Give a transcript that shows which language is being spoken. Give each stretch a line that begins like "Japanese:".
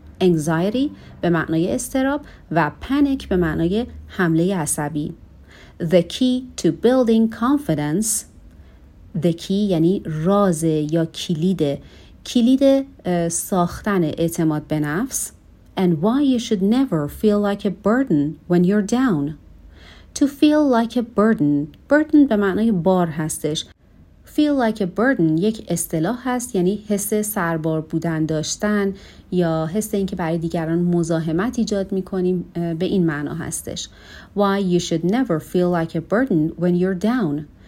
Persian: anxiety به معنای اضطراب و panic به معنای حمله عصبی.
English: the key to building confidence،
Persian: the key یعنی راز یا کلید، کلید ساختن اعتماد به نفس.
English: And why you should never feel like a burden when you're down. To feel like a burden.
Persian: Burden به معنای بار هستش. Feel like a burden یک اصطلاح هست، یعنی حس سربار بودن داشتن یا حس این که برای دیگران مزاحمت ایجاد میکنیم به این معنا هستش.
English: Why you should never feel like a burden when you're down.